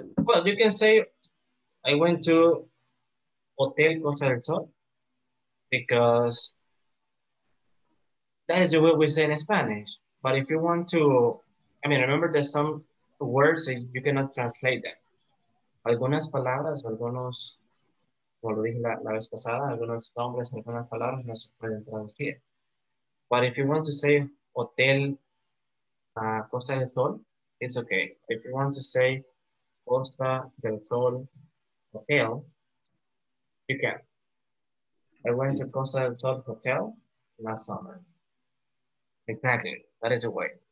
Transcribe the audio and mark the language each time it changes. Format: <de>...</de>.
<en>Well, you can say I went to Hotel Costa del Sol because that is the way we say in Spanish. But if you want to, I mean, remember there's some words that you cannot translate them.</en> <es>Algunas palabras, algunos, como lo dije la vez pasada, algunos nombres, algunas palabras no se pueden traducir.</es> <en>But if you want to say Hotel Costa del Sol, it's okay. If you want to say Costa del Sol Hotel, you can. I went to Costa del Sol Hotel last summer. Exactly, that is the way.</en>